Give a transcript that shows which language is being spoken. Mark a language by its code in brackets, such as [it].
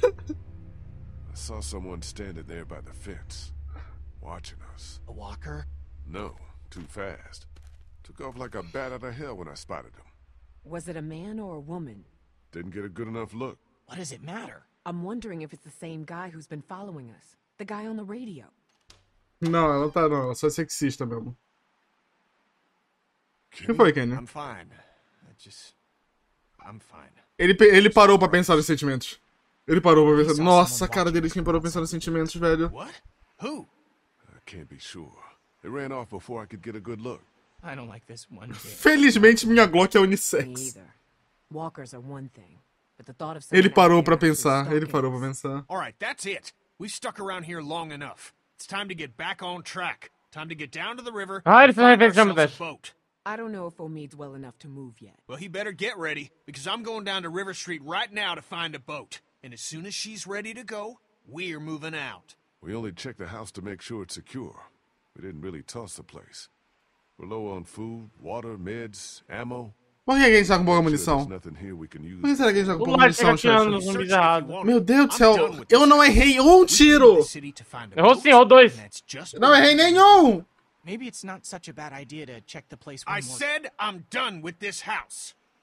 [en] I saw someone standing there by the fence, watching us. A walker? No, too fast. Took off like a bat out of hell when I spotted him. Was it a man or a woman? Didn't get a good enough look. What does it matter? I'm wondering if it's the same guy who's been following us. The guy on the radio. [pt] Não, ela tá não, ela só é sexista mesmo. O que foi, Kenny? [en] I'm fine. I'm fine. [pt] Ele parou pra pensar nos sentimentos. Ele parou pra pensar. Nossa, a cara dele, quem parou pra pensar nos sentimentos, velho. [en] What? Who? I can't be sure. It ran off before I could get a good look. I don't like this one. [pt] Felizmente minha Glock é unissex. [en] Walkers are one thing, but the thought of [pt] ele parou pra pensar. Ele parou pra pensar. [en] All right, that's it. We stuck around here long enough. It's time to get back on track. Time to get down to the river. Ah, it's time to jump this boat. I don't know if Omid's well enough to move yet. Well, he better get ready, because I'm going down to River Street right now to find a boat. And as soon as she's ready to go, we're moving out. We only checked the house to make sure it's secure. We didn't really toss the place. We're low on food, water, meds, ammo. [pt] Por que a gente tá com pouca munição? Por que será que a gente tá com pouca munição? Meu Deus do céu, eu não errei um tiro! Errou sim, errou dois! Não errei nenhum! [en] Maybe it's not such a bad idea to check the place one more. I said I'm done with this house.